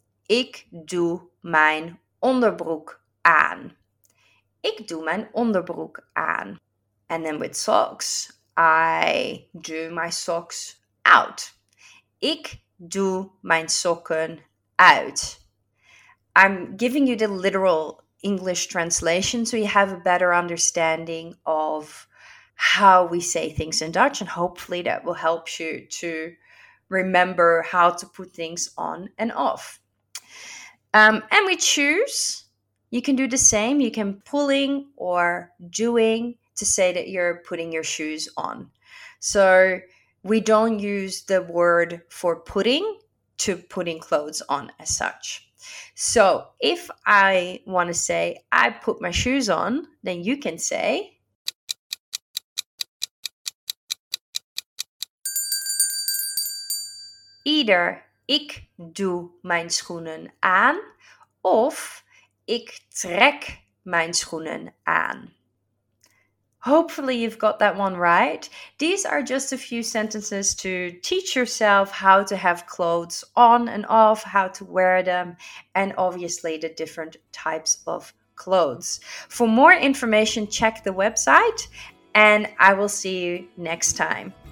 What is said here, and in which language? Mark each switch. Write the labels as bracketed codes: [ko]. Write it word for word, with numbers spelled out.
[nl] Ik doe mijn onderbroek aan. Ik doe mijn onderbroek aan. [en] And then with socks, I do my socks out. [nl] Ik doe mijn sokken uit. [en] I'm giving you the literal English translation so you have a better understanding of how we say things in Dutch, and hopefully that will help you to remember how to put things on and off. Um, and we choose. You can do the same. You can pulling or doing to say that you're putting your shoes on. So we don't use the word for putting to putting clothes on as such. So if I want to say, I put my shoes on, then you can say, either [nl] ik doe mijn schoenen aan, [en] of [nl] ik trek mijn schoenen aan. [en] Hopefully you've got that one right. These are just a few sentences to teach yourself how to have clothes on and off, how to wear them, and obviously the different types of clothes. For more information, check the website, and I will see you next time.